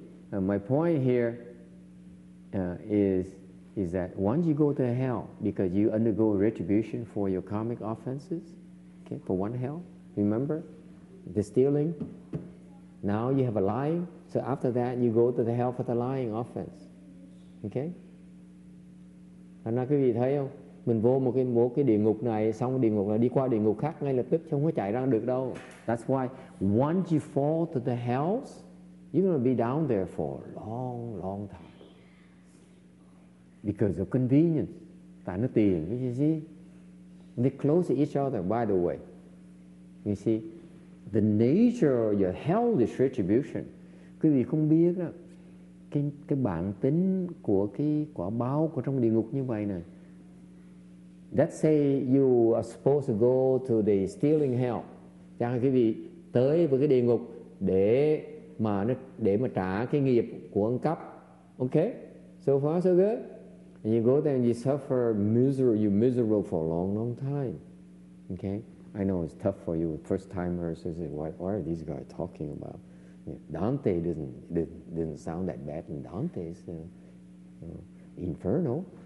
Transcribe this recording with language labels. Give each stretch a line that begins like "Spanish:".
English: My point here is that once you go to hell because you undergo retribution for your karmic offenses, okay, for one hell, remember, the stealing, now you have a lying, so after that you go to the hell for the lying offense, okay?
Vietnamese: Thành ra quý vị thấy không? Mình vô một cái địa ngục này, xong địa ngục này đi qua địa ngục khác ngay lập tức, chứ không có chạy ra được đâu.
English: That's why once you fall to the hells, you're going to be down there for a long, long time. Because of convenience.
Vietnamese: Tại nó tiền,
English: you see? And they close to each other, by the way. You see? The nature of your hellish retribution.
Vietnamese: Quý vị không biết đó, cái bản tính của cái quả báo của trong địa ngục như vậy này.
English: Let's say you are supposed to go to the stealing hell.
Vietnamese: Chẳng hạn quý vị tới với cái địa ngục để mà trả cái nghiệp của ăn cắp.
English: Okay? So far, so good. And you go there and you suffer miserable, you're miserable for a long, long time. Okay? I know it's tough for you, first timers. You say, what are these guys talking about? Yeah, Dante didn't sound that bad in Dante's Inferno.